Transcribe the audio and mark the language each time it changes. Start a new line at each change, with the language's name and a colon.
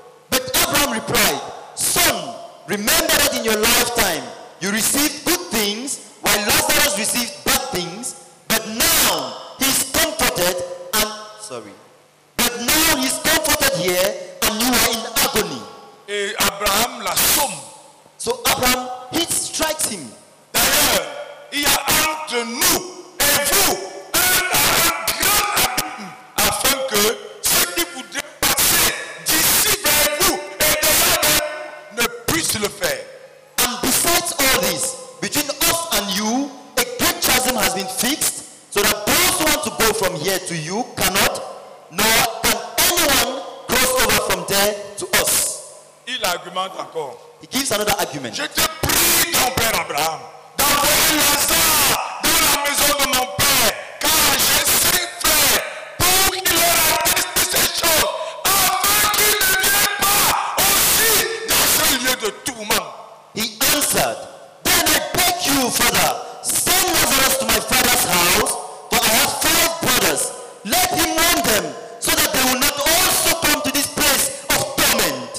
English: But Abraham replied, son, remember that in your lifetime you received good things while Lazarus received bad things, but now he's comforted and here and you are in agony.
French: Et Abraham la somme.
English: So Abraham he strikes him.
French: D'ailleurs, il y a entre nous et vous un grand abîme afin que ceux qui voudraient passer d'ici vers vous et de là-bas ne puissent le faire.
English: And besides all this, between us and you, a great chasm has been fixed so that those who want to go from here to you cannot, nor can anyone cross over from there to us.
French: Il argumente encore.
English: He gives another argument.
French: Je te prie, ton père Abraham, d'envoyer Lazare dans la maison de mon père, car j'ai cinq frères pour qu'il leur atteste ces choses, afin qu'ils ne viennent pas aussi dans ce lieu de tourment.
English: He answered, then I beg you, Father, send Lazarus to my father's house, for I have five brothers. Let him warn them, so that they will not also come to this place of torment.